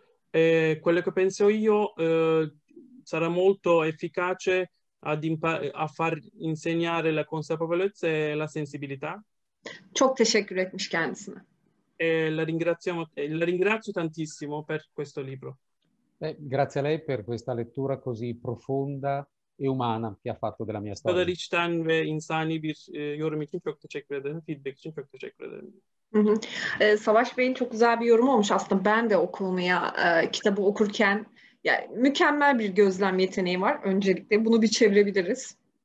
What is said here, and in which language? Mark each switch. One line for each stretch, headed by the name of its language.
Italian: Quello che penso io sarà molto efficace a far insegnare la consapevolezza e la sensibilità.
Turkish: Çok teşekkür etmiş kendisine.
Italian: La ringrazio tantissimo per questo libro. Grazie a lei per questa lettura così profonda e umana che ha fatto della mia storia.
Turkish: Kadar içten ve insani bir yorum için çok teşekkür ederim. Feedback için çok teşekkür ederim. Savaş Bey'in çok güzel bir yorumu olmuş aslında. Ben de okumaya kitabı okurken yani mükemmel bir gözlem yeteneği var. Öncelikle bunu bir çevirebiliriz.